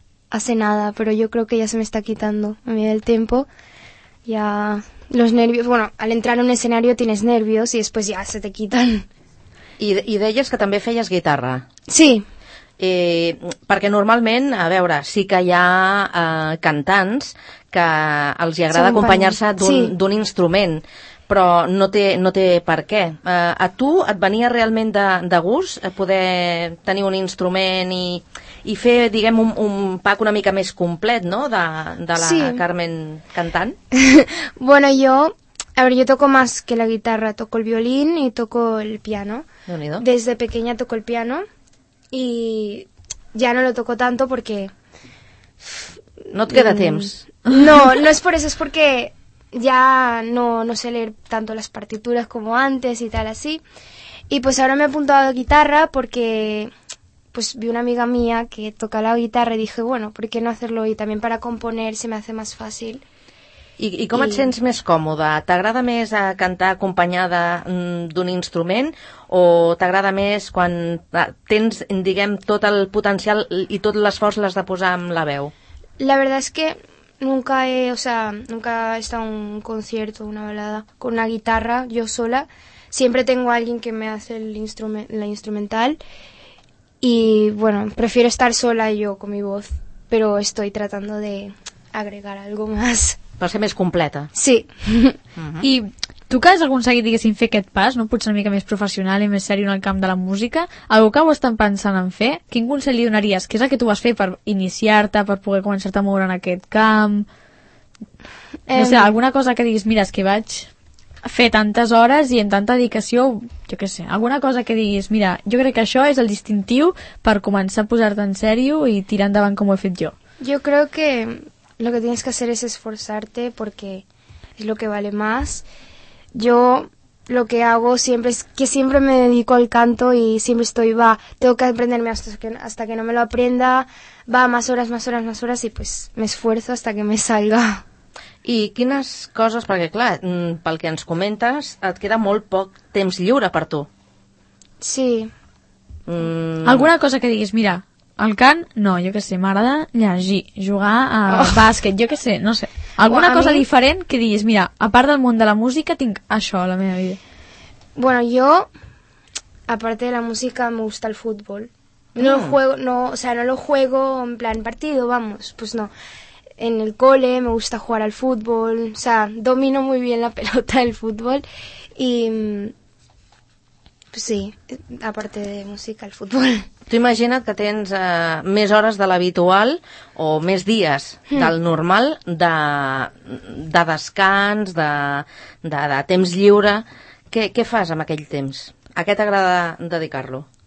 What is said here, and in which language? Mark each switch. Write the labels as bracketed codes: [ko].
[es] Hace nada, pero yo creo que ya se me está quitando a medida del tiempo. Ya los nervios, bueno, al entrar a un escenario tienes nervios y después ya se te quitan. [ca] I deies que també feies guitarra. [es] Sí. [ca] Perquè normalment, a veure, sí que hi ha cantants que els hi agrada acompanyar-se d'un instrument, però no té per què. A tu et venia realment de gust poder tenir un instrument i fer, diguem, un pack una mica més complet, no?, de la Carmen cantant? [es] Bueno, yo toco más que la guitarra. Toco el violín y toco el piano. [ca] Déu-n'hi-do. [es] Desde pequeña toco el piano y ya no lo toco tanto porque [ca] no te queda temps. [es] No es por eso, es porque ya no sé leer tanto las partituras como antes y tal así. Y pues ahora me he apuntado a guitarra porque pues vi una amiga mía que toca la guitarra y dije, bueno, ¿por qué no hacerlo? Y también para componer se me hace más fácil. [ca] I com et sents més còmoda? T'agrada més cantar acompanyada d'un instrument o t'agrada més quan tens, diguem, tot el potencial i tot l'esforç l'has de posar amb la veu? [es] La verdad es que nunca he, o sea, nunca he estado en un concierto, una balada, con una guitarra yo sola. Siempre tengo a alguien que me hace el la instrumental y, bueno, prefiero estar sola yo con mi voz, pero estoy tratando de agregar algo más. [ca] Per ser més completa. [es] Sí. [ca] Uh-huh. I tu que has aconseguit, diguéssim, fer aquest pas, no? Potser una mica més professional i més seriós en el camp de la música, algú que ho estan pensant en fer, quin consell li donaries? Què és el que tu vas fer per iniciar-te, per poder començar-te a moure en aquest camp? No sé, alguna cosa que diguis, mira, és que vaig fer tantes hores i amb tanta dedicació, jo què sé, alguna cosa que diguis, mira, jo crec que això és el distintiu per començar a posar-te en sèrio i tirar endavant com ho he fet jo. Jo crec que [es] lo que tienes que hacer es esforzarte porque es lo que vale más. Yo lo que hago siempre es que siempre me dedico al canto y siempre estoy, va, tengo que aprenderme hasta que no me lo aprenda, va, más horas y pues me esfuerzo hasta que me salga. [ca] I quines coses, perquè clar, pel que ens comentes, et queda molt poc temps lliure per tu. [es] Sí. [ca] Alguna cosa que diguis, mira, el cant, no, jo què sé, m'agrada llegir, jugar a bàsquet, jo què sé, no sé. Alguna cosa diferent que diguis, mira, a part del món de la música tinc això a la meva vida. [es] Bueno, [ca] jo, a part [es] de la música, me gusta el futbol. No lo juego, no, o sea, no lo juego en plan partido, vamos, pues no. En el cole me gusta jugar al fútbol, o sea, domino muy bien la pelota del fútbol y pues sí, aparte de música, el fútbol. [ca] Tu imagina't que tens més hores de l'habitual o més dies del normal de descans, de temps lliure. Què fas amb aquell temps? A què t'agrada dedicar-lo?